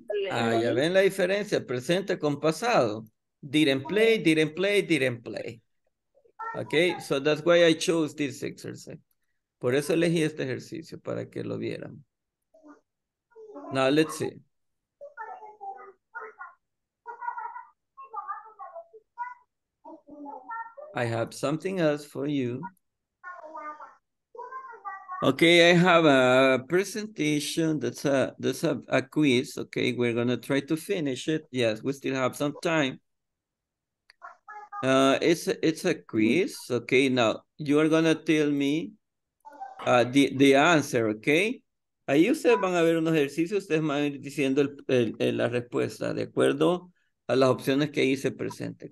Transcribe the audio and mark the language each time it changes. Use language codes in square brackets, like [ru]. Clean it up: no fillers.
[es] Ah, ya ven la diferencia, presente con pasado. [en] Didn't play. Okay, so that's why I chose this exercise. Por eso elegí este ejercicio, para que lo vieran. Now, let's see. I have something else for you. Okay, I have a presentation. That's a quiz. Okay, we're gonna try to finish it. Yes, we still have some time. It's a quiz. Okay, now you are gonna tell me the answer. [es] Okay, ahí ustedes van a ver unos ejercicios. Ustedes van a ir diciendo la respuesta de acuerdo a las opciones que ahí se presenten.